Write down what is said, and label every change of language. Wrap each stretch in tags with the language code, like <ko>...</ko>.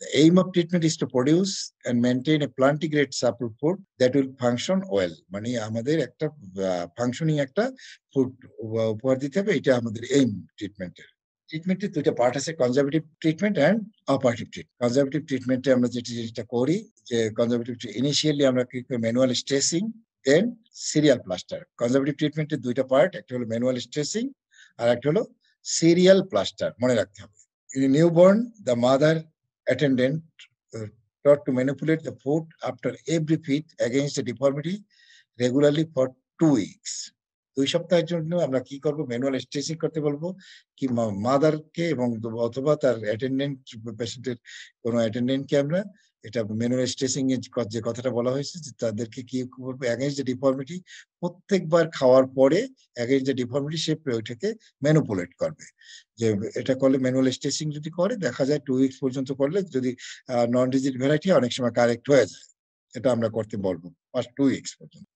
<en>aim of treatment is to produce and maintain a plantigrade supple foot that will function well,</en> <bn>মানে আমাদের একটা functioning একটা food উপহার দিতে হবে, এটা আমাদের এইম ট্রিটমেন্টের। ট্রিটমেন্টের দুইটা পার্ট আছে, conservative treatment and operative treatment. Conservative ট্রিটমেন্টে আমরা যেটা করি যে কনজারভেটিভ ইনিশিয়ালি আমরা কি করি, manual tracing</bn> <en>then serial plaster. Conservative treatment is two part, actually manual stressing, or actually serial plaster.</en> <bn>Mone rakhte hobe.</bn> <en>In a newborn, the mother attendant taught to manipulate the foot after every feed against the deformity regularly for 2 weeks.</en> <bn>দুই সপ্তাহের জন্য আমরা কি করব, manual tracing করতে বলবো কি mother কে এবং অথবা তার অ্যাটেন্ডেন্ট পেশেন্টের কোনো অ্যাটেন্ডেন্ট কে আমরা এটা ম্যানুয়াল স্ট্রেসিং এর যে কথাটা বলা হয়েছে তাদেরকে কি করবো এগেইনস্ট দ্য ডিফর্মিটি, প্রত্যেকবার খাওয়ার পরে এগেইনস্ট দ্য ডিফর্মিটি সে ওইটাকে ম্যানুপুলেট করবে, যে এটা করলে ম্যানুয়াল স্ট্রেসিং যদি করে দেখা যায় 2 weeks পর্যন্ত করলে যদি নন রিজিড ভ্যারাইটি অনেক সময় কারেক্ট হয়ে যায়, এটা আমরা করতে বলবো ফার্স্ট 2 weeks পর্যন্ত।</bn>